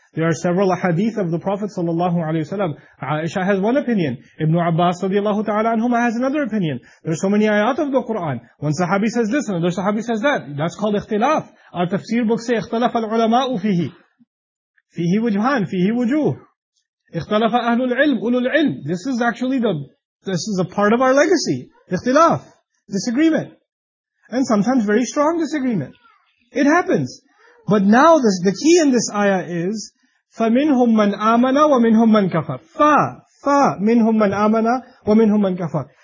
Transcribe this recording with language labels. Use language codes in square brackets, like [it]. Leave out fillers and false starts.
[en] There are several ahadith of the Prophet sallallahu alayhi wasallam. Aisha has one opinion. Ibn Abbas radiallahu ta'ala anhuma has another opinion. There are so many ayat of the Quran. One Sahabi says this, another Sahabi says that. That's called ikhtilaf. Our tafsir books say, [ar] اختلف العلماء فيه. فيه وجهان, فيه وجوه. اختلف أهل العلم, أولو العلم. [en] This is actually this is a part of our legacy. Ikhtilaf. Disagreement. And sometimes very strong disagreement. It happens. But now the key in this ayah is, [ar] فَمِنْهُمْ مَنْ آمَنَا وَمِنْهُمْ مَنْ كَفَرْ. مِنْهُمْ مَنْ آمَنَا وَمِنْهُمْ مَنْ كَفَرْ.